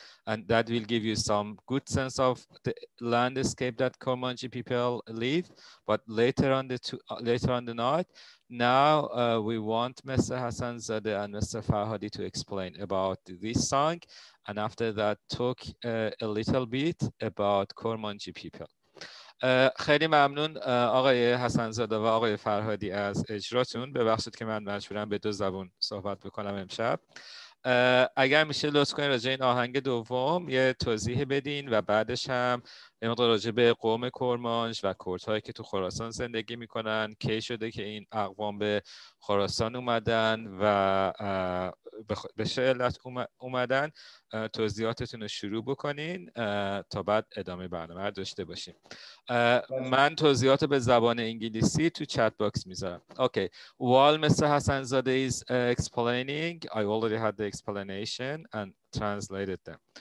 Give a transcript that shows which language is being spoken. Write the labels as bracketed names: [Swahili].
[English] And that will give you some good sense of the landscape that Kurmanji people live. But later on the night, now we want Mr. Hassan Zada and Mr. Farhadi to explain about this song. And after that, talk a little bit about Kurmanji people. [Persian] خیلی ممنون آقای حسن‌زاده و آقای فرهادی از اجراتون. ببخشید که من مجبورم به دو زبون صحبت بکنم امشب. اگر میشه لطف کنید راجع این آهنگ دوم یه توضیح بدین و بعدش هم امقدر راجع به قوم کرمانج و کردهایی که تو خراسان زندگی میکنن، کی شده که این اقوام به خراسان اومدن و به چه علت اومدن، توضیحاتتون رو شروع بکنین تا بعد ادامه برنامه داشته باشیم. من توضیحات به زبان انگلیسی تو چت باکس میذارم. [English] Okay, while Mr. Hassan Zada is explaining, I already had the explanation and translated them.